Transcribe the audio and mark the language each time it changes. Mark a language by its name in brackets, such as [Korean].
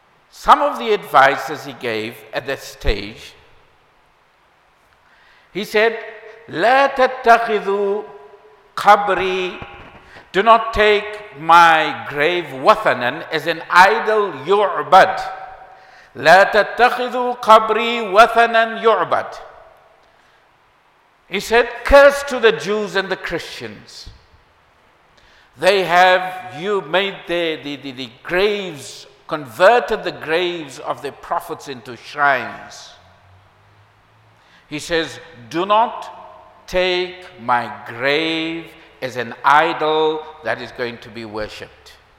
[English] Some of the advices he gave at that stage, he said, [Arabic] لا تتخذوا قبري, [English] do not take my grave wathanan, as an idol yu'bad. [Arabic] لا تتخذوا قبري وثنا يعبد. [English] He said, curse to the Jews and the Christians. They have you made the graves, converted the graves of the prophets into shrines. He says, do not take my grave as an idol that is going to be worshipped.